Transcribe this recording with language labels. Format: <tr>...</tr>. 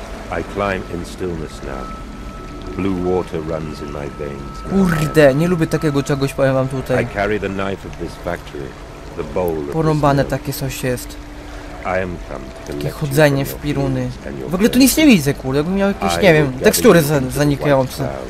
<en>I climb in stillness now. Blue water runs in my veins.</en> <pl>Kurde, nie lubię takiego czegoś, powiem wam tutaj.</pl> <en>I carry the knife of this factory, the bowl of</en> <pl>porąbane takie coś jest.</pl> <en>I am come to</en> <pl>takie chodzenie w piruny. W ogóle tu nic nie widzę, kurde. Jakbym miał jakieś, nie wiem, tekstury zanikające.</pl>